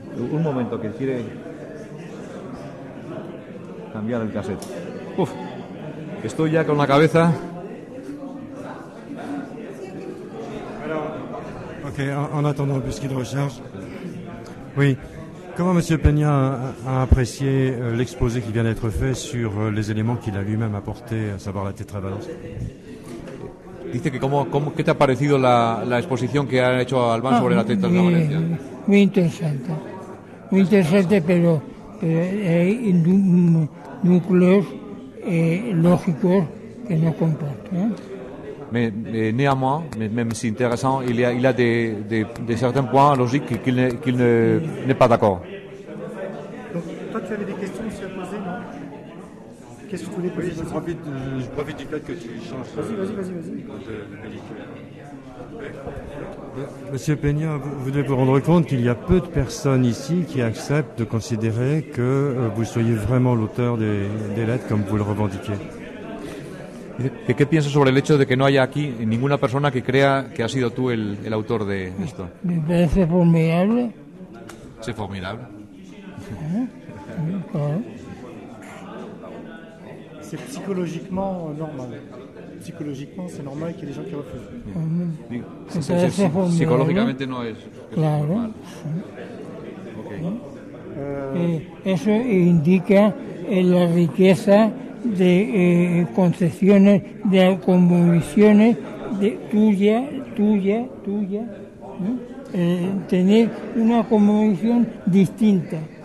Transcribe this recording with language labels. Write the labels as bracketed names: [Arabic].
[Spanish] Un momento, que quiere cambiar el cassette. Uf, estoy ya con la cabeza. [French] Ok, en attendant, puisqu'il recherche. Oui, comment M. Peña a apprécié l'exposé qui vient d'être fait sur les éléments qu'il a lui-même apportés, à savoir la tétravalence? [Spanish] Dice que cómo, ¿qué te ha parecido la exposición que ha hecho Albán sobre la tétravalencia? Muy interesante. Muy interesante, pero hay núcleos lógicos que no comparto. [French] Néanmoins, même si intéressant, il y a de certains points logiques qu'il n'est pas d'accord. Donc, toi, tu avais des questions aussi à poser, non? Qu'est-ce que tu voulais poser? Oui, je profite du fait que tu changes. Monsieur Peña, vous devez vous rendre compte qu'il y a peu de personnes ici qui acceptent de considérer que vous soyez vraiment l'auteur des lettres comme vous le revendiquez. [Spanish] ¿Qué piensas sobre el hecho de que no haya aquí ninguna persona que crea que has sido tú el autor de esto? Me parece formidable. Sí, formidable. [French] C'est psychologiquement normal. Psicologiquement, c'est normal qu'il y ait des gens qui refusent. Psicologiquement, non, c'est [Spanish] claro. Normal. Sí. Okay. Eso indica la riqueza de concesiones, de convicciones de tuya, ¿no? Tener una convicción distinta.